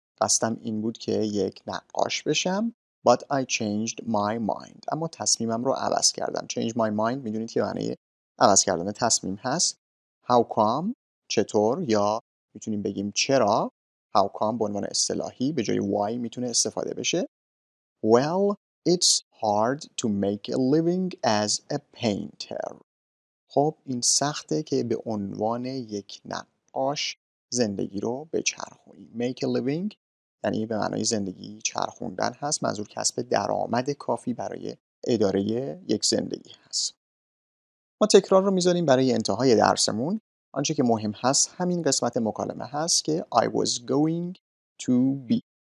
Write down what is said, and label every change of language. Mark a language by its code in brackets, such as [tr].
[fa] قصدم این بود که یک نقاش بشم. [en] But I changed my mind. [fa] اما تصمیمم رو عوض کردم. [en] Change my mind [fa] میدونید که معنی عوض کردن تصمیم هست. [en] How come؟ [fa] چطور؟ یا میتونیم بگیم چرا؟ [en] How come [fa] به عنوان اصطلاحی به جای why میتونه استفاده بشه. [en] Well, it's hard to make a living as a painter. [fa] خب این سخته که به عنوان یک نقاش زندگی رو بچرخونی. Make a living یعنی به معنای زندگی چرخوندن هست. منظور کسب درآمد کافی برای اداره یک زندگی هست. ما تکرار رو میذاریم برای انتهای درسمون. آنچه که مهم هست همین قسمت مکالمه هست که [en] I was going to be.